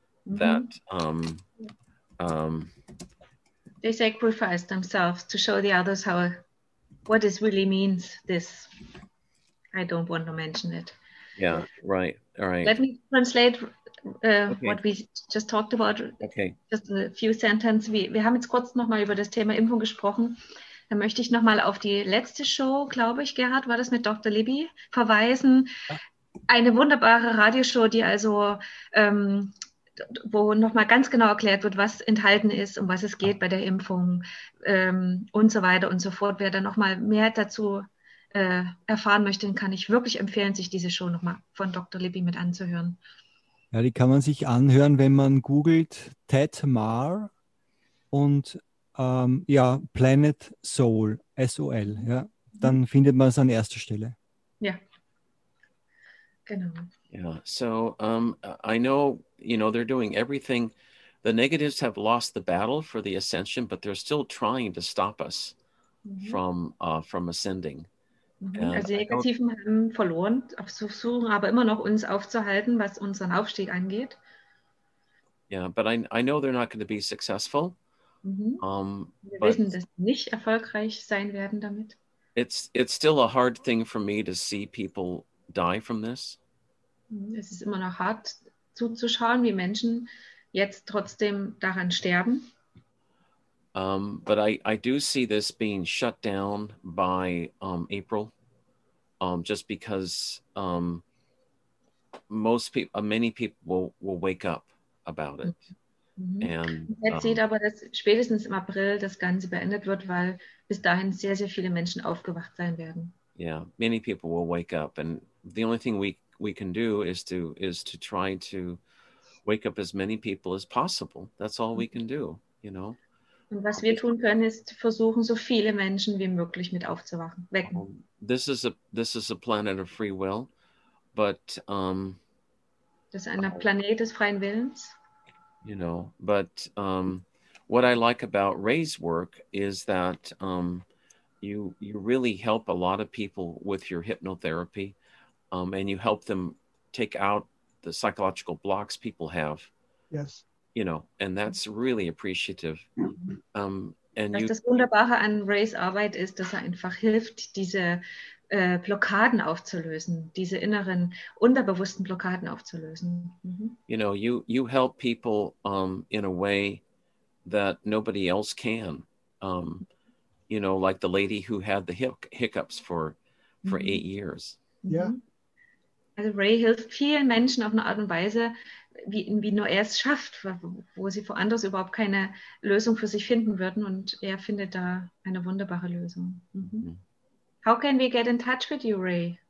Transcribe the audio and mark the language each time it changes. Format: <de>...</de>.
<en>Mm-hmm. That they sacrifice themselves to show the others what this really means. This, I don't want to mention it. Yeah, right. All right. Let me translate what we just talked about. Okay. Just a few sentences.</en> <de>Wir haben jetzt kurz nochmal über das Thema Impfung gesprochen. Dann möchte ich nochmal auf die letzte Show, glaube ich, Gerhard, war das mit Dr. Libby, verweisen. Eine wunderbare Radioshow, die also wo nochmal ganz genau erklärt wird, was enthalten ist und was es geht bei der Impfung und so weiter und so fort. Wer da nochmal mehr dazu erfahren möchte, kann ich wirklich empfehlen, sich diese Show nochmal von Dr. Libby mit anzuhören. Ja, die kann man sich anhören, wenn man googelt Ted Marr und Planet Soul, S-O-L. Ja? Dann findet man es an erster Stelle.</de> <en>Yeah, so I know, you know, they're doing everything. The negatives have lost the battle for the ascension, but they're still trying to stop us from ascending. Mm-hmm.</en> <de>Also die Negativen haben verloren, versuchen aber immer noch uns aufzuhalten, was unseren Aufstieg angeht.</de> <en>Yeah, but I know they're not going to be successful. Mm-hmm.</en> <de>Wir wissen, dass sie nicht erfolgreich sein werden damit.</de> <en>It's still a hard thing for me to see people die from this.</en> <de>Es ist immer noch hart zuzuschauen, wie Menschen jetzt trotzdem daran sterben.</de> <en>But I do see this being shut down by April, just because many people will wake up about it.</en> <de>Mm-hmm. And jetzt sieht aber, dass spätestens im April das Ganze beendet wird, weil bis dahin sehr, sehr viele Menschen aufgewacht sein werden.</de> <en>Yeah, many people will wake up, and the only thing we can do is to try to wake up as many people as possible. That's all we can do, you know.</en> <de>Und was wir tun können, ist versuchen, so viele Menschen wie möglich mit aufzuwachen, wecken.</de> <en>This is a planet of free will, but</en> <de>das ist ein Planet des freien Willens.</de> <en>You know, but what I like about Ray's work is that you really help a lot of people with your hypnotherapy, and you help them take out the psychological blocks people have. Yes. You know, and that's really appreciative. Mm-hmm.</en> <de>Das Wunderbare an Rays Arbeit ist, dass einfach hilft, diese Blockaden aufzulösen, diese inneren unterbewussten Blockaden aufzulösen. Mm-hmm.</de> <en>You know, you help people in a way that nobody else can. You know, like the lady who had the hiccups for mm-hmm. 8 years. Yeah.</en> <de>Also Ray hilft vielen Menschen auf eine Art und Weise, wie nur er es schafft, wo sie woanders überhaupt keine Lösung für sich finden würden, und er findet da eine wunderbare Lösung. Mm-hmm. Mm-hmm.</de> <en>How can we get in touch with you, Ray?</en>